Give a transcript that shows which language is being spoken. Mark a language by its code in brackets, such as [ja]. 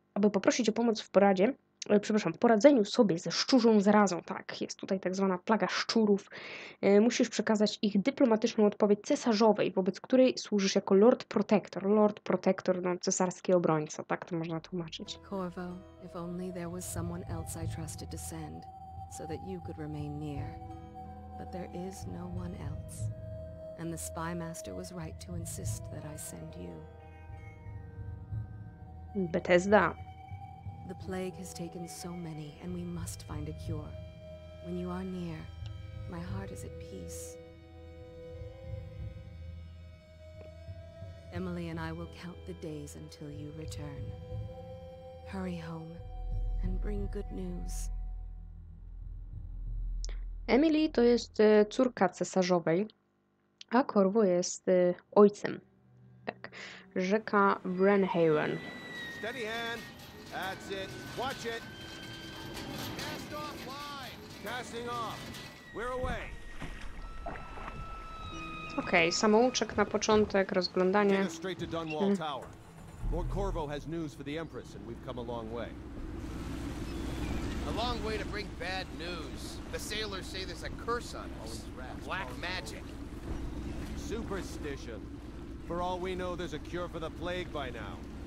[pl] Aby poprosić o pomoc w poradzie, przepraszam, w poradzeniu sobie ze szczurzą zarazą, tak, jest tutaj tak zwana plaga szczurów, musisz przekazać ich dyplomatyczną odpowiedź cesarzowej, wobec której służysz jako Lord Protector. Lord Protector, no, cesarski obrońca, tak to można tłumaczyć. [en] Corvo, if only there was someone else I trusted to send, so that you could remain near. But there is no one else. And the spymaster was right to insist that I send you. Bethesda. The plague has taken so many, and we must find a cure. When you are near, my heart is at peace. Emily and I will count the days until you return. Hurry home and bring good news. [pl] Emily to jest córka cesarzowej, a Corvo jest ojcem. Tak. Rzeka [en] Brenhaven. Steady hand. That's it. Watch it. Cast off line. Casting off. We're away. [pl] Okay, samouczek na początek, rozglądanie. [en] Get us straight to Dunwall Tower. Lord Corvo has news for the Empress, and we've come a long way. A long way to bring bad news. The sailors say there's a curse on us. Black magic. Superstition. For all we know, there's a cure for the plague by now.